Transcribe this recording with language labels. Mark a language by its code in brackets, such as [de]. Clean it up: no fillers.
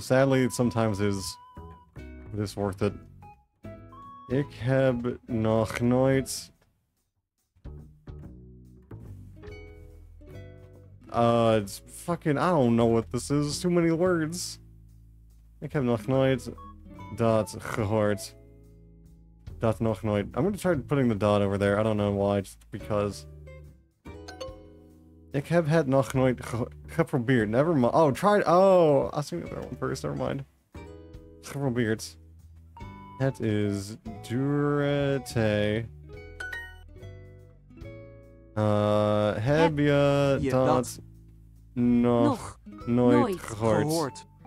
[en] Sadly, sometimes is this worth it. [nl] Ik heb nog nooit... [en] it's fucking... I don't know what this is. Too many words. [nl] Ik heb nog nooit dat gehoord. Dat nog nooit. [en] I'm gonna try putting the dot over there. I don't know why, just because. [nl] Ik heb het nog nooit geprobeerd. [en] Never mind. Oh, tried. Oh, I see the other one first. Never mind. Geprobeerd. [nl] Het is durete. Heb je dat nog nooit gehoord?